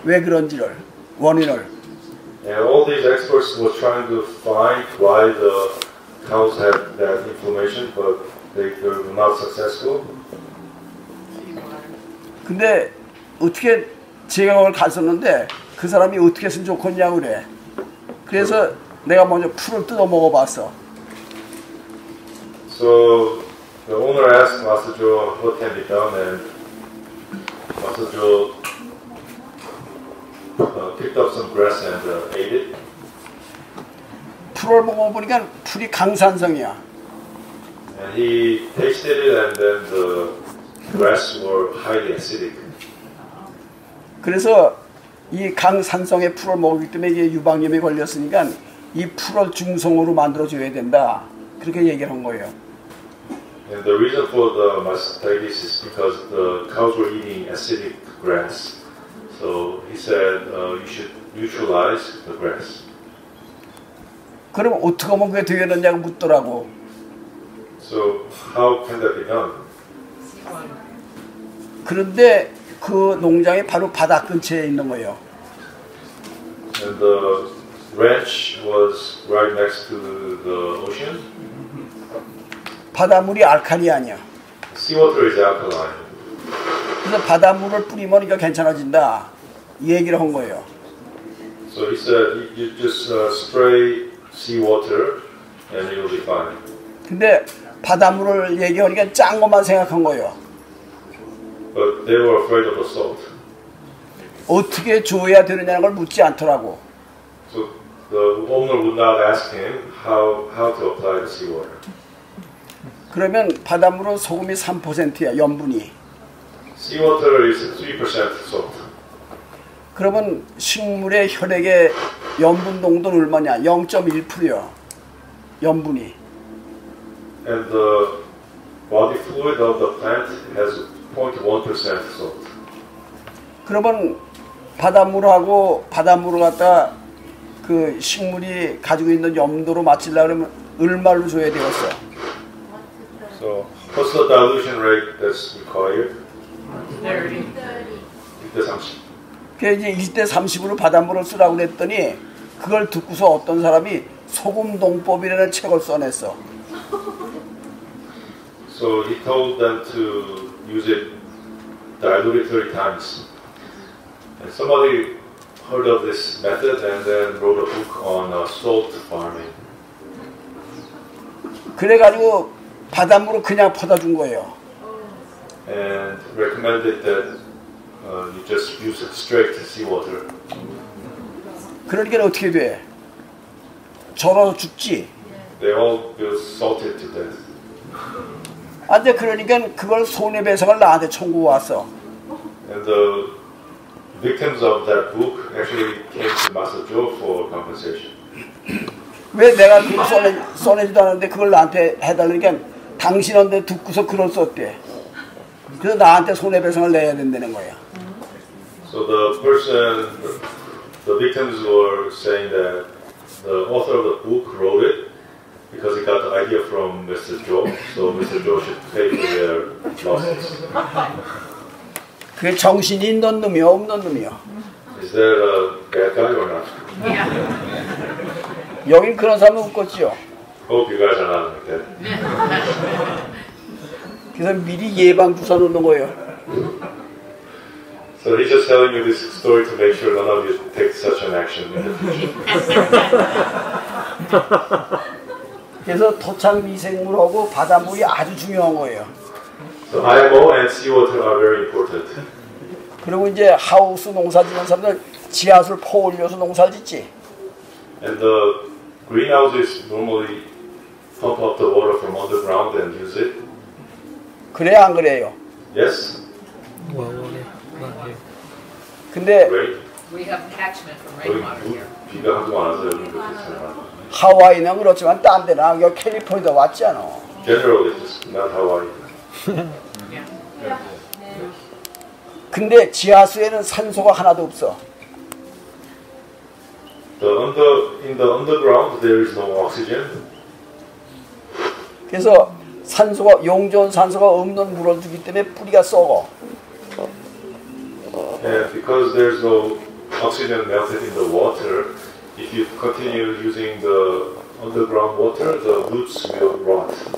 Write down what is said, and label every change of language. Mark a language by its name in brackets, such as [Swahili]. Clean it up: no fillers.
[English] All these experts were trying to find why the cows had that inflammation, but they were not successful. [Korean] 근데 어떻게 제강을 갔었는데 그 사람이 어떻게 했으면 좋겠냐고 그래. 그래서 내가 먼저 풀을 뜯어 먹어봤어. [English] So the owner asked Master Joe what can be done, and Master Joe picked up some grass and ate it. [Korean] 풀을 먹어보니까 풀이 강산성이야. [English] And he tasted it, and then the grass were highly acidic. [Korean] 그래서 이 강산성의 풀을 먹기 때문에 이게 유방염에 걸렸으니까 이 풀을 중성으로 만들어줘야 된다. 그렇게 얘기를 한 거예요. [English] And the reason for the mastitis is because the cows were eating acidic grass. So he said you should neutralize the grass. [Korean] 그럼 어떻게 하면 그게 되겠느냐고 묻더라고. [English] So how can that be done? [Korean] 그런데 그 농장이 바로 바다 근처에 있는 거예요. [English] And the ranch was right next to the ocean. [Korean] 바닷물이 알칼리 아니야. [English] Seawater is alkaline. [Korean] 그래서 바닷물을 뿌리면 이게 괜찮아진다. 이 얘기를 한 거예요. [English] So he said you just spray seawater and it will be fine. [Korean] 근데 바닷물을 얘기하니까 짠 것만 생각한 거예요. [English] But they were afraid of the salt. [Korean] 어떻게 줘야 되느냐는 걸 묻지 않더라고. [English] So the owner would not ask him how to apply the seawater. [Korean] 그러면 바닷물은 소금이 3%야, 염분이. [English] Seawater is 3% salt. [Korean] 그러면 식물의 혈액의 염분 농도는 얼마냐? 0.1%요, 염분이. [English] And the body fluid of the plant has 0.1% salt. [Korean] 그러면 바닷물하고 바닷물을 갖다 그 식물이 가지고 있는 염도로 맞추려면 얼마로 줘야 되겠어? [English] So what's the dilution rate that's required? 1:30. [Korean] 1:30으로 바닷물을 쓰라고 했더니 그걸 듣고서 어떤 사람이 소금 농법이라는 책을 써냈어. [English] So he told them to use it, dilute it 30 times. And somebody heard of this method and then wrote a book on salt farming. [Korean] 그래가지고 바닷물을 그냥 퍼다준 거예요. [English] And recommended that you just use it straight to seawater. [Korean] 그러니까 어떻게 돼? 절어서 죽지? [English] They all feel salted to death. [Korean] 안 돼, 그러니까 그걸 손해배상을 나한테 청구하고 왔어. [English] And the victims of that book actually came to Master Joe for compensation. [Korean] 왜 내가 그걸 써내지도 않았는데 그걸 나한테 해달라니까 당신한테 듣고서 그걸 썼대. 그래서 나한테 손해배상을 내야 된다는 거야. [English] So the person, the victims were saying that the author of the book wrote it because he got the idea from Mr. Joe, so Mr. Joe should pay for their losses. [Korean] 그게 정신이 있는 놈이야, 없는 놈이야? [English] Is there a bad guy or not? [Korean] 여긴 그런 사람은 없겠지요. [English] Hope you guys are not like that. [Korean] 그래서 미리 예방 주사 놓는 거예요. [English] So he's just telling you this story to make sure none of you take such an action. [Korean] 그래서 토착 미생물하고 바닷물이 아주 중요한 거예요. [English] So IMO and seawater are very important. [Korean] 그리고 이제 하우스 농사 짓는 사람들 지하수를 퍼 올려서 농사를 짓지. [English] And the greenhouses normally pump up the water from underground and use it. [Korean] 그래 안 그래요? [English] Yes. [Korean] 근데 [English] we have catchment from rainwater here. [Korean] 비가 안 와서 그런 거지. 하와이는 그렇지만 딴 데나 여기 캘리포니아 왔잖아. [English] Generally, it's not Hawaii. [Korean] 근데 지하수에는 산소가 하나도 없어. [English] In the underground, there is no oxygen. [Korean] 그래서 산소가 용존 산소가 없는 물을 주기 때문에 뿌리가 썩어. [English] Yeah, because there's no oxygen melted in the water, if you continue using the underground water, the roots will rot.